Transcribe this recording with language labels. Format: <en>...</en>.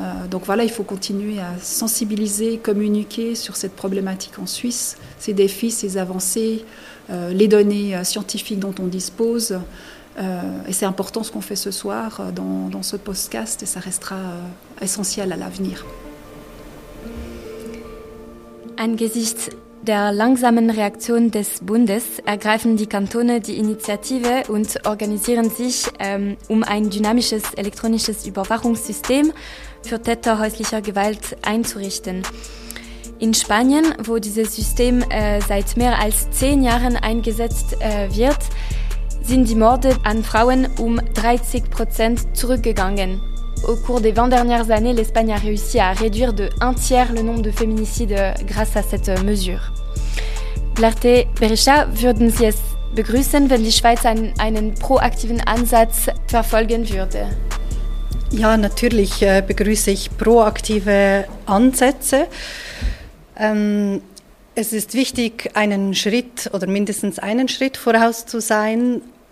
<fr>Donc voilà, il faut continuer à sensibiliser, communiquer sur cette problématique en Suisse, ces défis, ces avancées, les données scientifiques dont on dispose. Et c'est important ce qu'on fait ce soir dans ce podcast et ça restera essentiel à l'avenir.</fr> <de>Angesichts der langsamen Reaktion des Bundes ergreifen die Kantone die Initiative und organisieren sich um ein dynamisches elektronisches Überwachungssystem für Täter häuslicher Gewalt einzurichten. In Spanien, wo dieses System seit mehr als 10 Jahren eingesetzt wird, sind die Morde an Frauen um 30% zurückgegangen.</de> <fr>Au cours des 20 dernières années, l'Espagne a réussi à réduire de 1/3 le nombre de féminicides grâce à cette mesure.</fr> <de>Blarté Berisha, würden Sie es begrüßen, wenn die Schweiz einen proaktiven Ansatz verfolgen würde? Ja, natürlich begrüße ich proaktive Ansätze. Es ist wichtig, einen Schritt oder mindestens einen Schritt voraus zu sein.</de>